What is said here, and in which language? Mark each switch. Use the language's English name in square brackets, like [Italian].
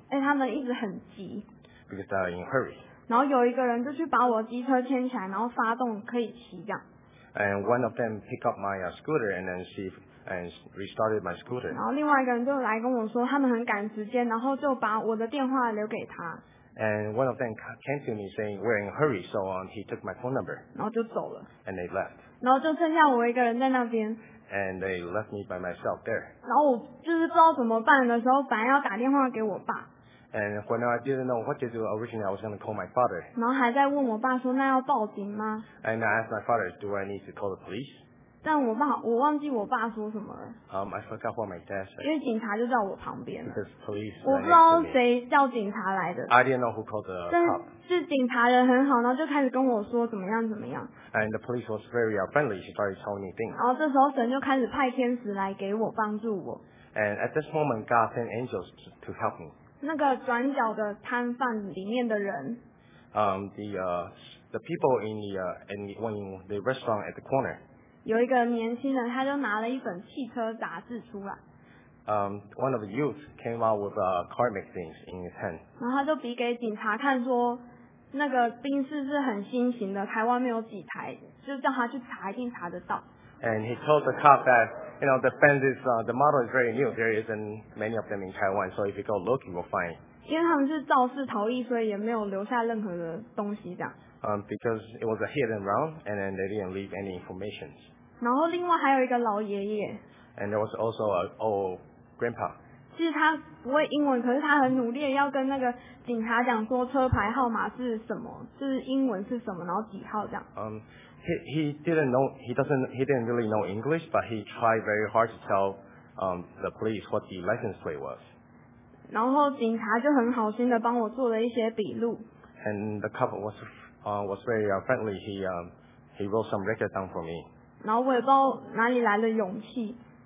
[Chinese] 他们一直很急。 [English] Because they are in a hurry. [Chinese] 然后有一个人就去把我机车牵起来，然后发动可以骑这样。 [English] And one of them pick up my scooter and then see. And restarted my scooter. [Chinese] 然后另外一个人就来跟我说，他们很赶时间，然后就把我的电话留给他。 [English] And one of them came to me saying we're in a hurry, so he took my phone number. [Chinese] 然后就走了。 [English] And they left. [Chinese] 然后就剩下我一个人在那边。 [English] And they left me by myself there. [Chinese] 然后我就是不知道怎么办的时候，本来要打电话给我爸。 [English] And when I didn't know what to do, originally I was going to call my father. [Chinese] 然后还在问我爸说，那要报警吗？ [English] And I asked my father, do I need to call the police? [Chinese] 但我爸，我忘记我爸说什么了。 [English] I forgot what my dad said. [Chinese] 因为警察就在我旁边了。 [English] Because police. [Chinese] 我不知道谁叫警察来的。 [English] I didn't know who called the cop. [Chinese] 但是警察人很好，然后就开始跟我说怎么样怎么样。 [English] And the police was very friendly. She started telling me things. [Chinese] 然后这时候神就开始派天使来给我帮助我。 [English] And at this moment, God sent angels to help me. [Chinese] 那个转角的摊贩里面的人。 [English] The people in the restaurant at the corner. [Chinese] 有一个年轻人，他就拿了一本汽车杂志出来。 [English] One of the youth came out with a car magazine in his hand. [Chinese] 然后他就比给警察看说，那个宾士是很新型的，台湾没有几台，就叫他去查，一定查得到。 [English] And he told the cop that, you know, the Benz is the model is very new. There isn't many of them in Taiwan, so if you go look, you will find. [Chinese] 因为他们是肇事逃逸，所以也没有留下任何的东西这样。 [English] Because it was a hit and run, and then they didn't leave any information. [Chinese] 然后另外还有一个老爷爷。 [English] And there was also an old grandpa. [Chinese] 其实他不会英文，可是他很努力要跟那个警察讲说车牌号码是什么，就是英文是什么，然后几号这样。 [English] He didn't really know English, but he tried very hard to tell the police what the license plate was. [Chinese] 然后警察就很好心的帮我做了一些笔录。 [English] And the cop was very friendly. He wrote some records down for me. [Chinese] 然后我也不知道哪里来的勇气。